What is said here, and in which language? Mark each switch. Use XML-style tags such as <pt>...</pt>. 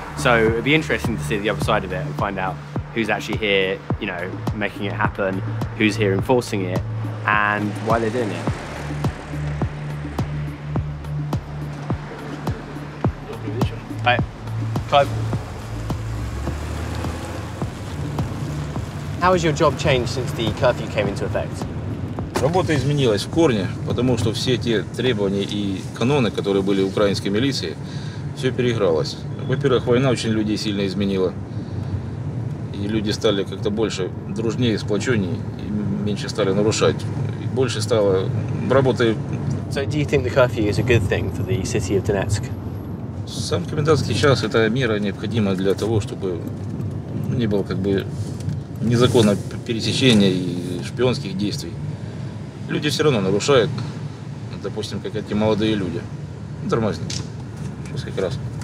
<en>So it'd be interesting to see the other side of it and find out who's actually here, you know, making it happen, who's here enforcing it, and why they're doing it. Bye. Clive. How has your job changed since the curfew came into effect?</en> <ru>Работа изменилась в корне, потому что все те требования и каноны, которые были в украинской милиции, все переигралось. Во-первых, война очень людей сильно изменила. И люди стали как-то больше дружнее, сплоченнее, и меньше стали нарушать. И больше стало работы.</ru> <en>So do you think the curfew is a good thing for the city of Donetsk?</en> <ru>Сам комендантский час – это мера необходима для того, чтобы не было как бы незаконного пересечения и шпионских действий. Люди все равно нарушают, допустим, как эти молодые люди. Тормозни. Сейчас как раз.</ru>